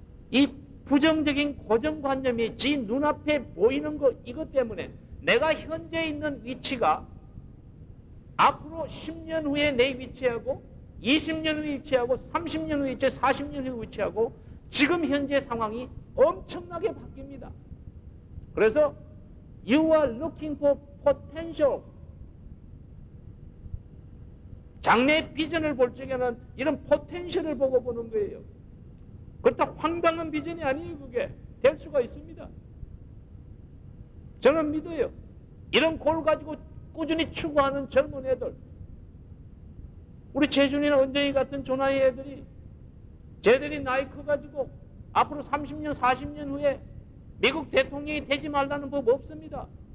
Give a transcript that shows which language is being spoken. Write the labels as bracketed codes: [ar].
[ko] 이 부정적인 고정관념이 지 눈앞에 보이는 것 이것 때문에 내가 현재 있는 위치가 앞으로 10년 후에 내 위치하고 20년 후에 위치하고 30년 후에 위치하고 40년 후에 위치하고 지금 현재 상황이 엄청나게 바뀝니다. [en] 그래서 You are looking for potential. [ko] 장래의 비전을 볼 적에는 이런 포텐셜을 보고 보는 거예요. 그렇다 황당한 비전이 아니에요. 그게 될 수가 있습니다. 저는 믿어요. 이런 골 가지고 꾸준히 추구하는 젊은 애들, 우리 재준이나 은정이 같은 조나이 애들이 쟤들이 나이 커가지고 앞으로 30년 40년 후에 미국 대통령이 되지 말라는 법 없습니다.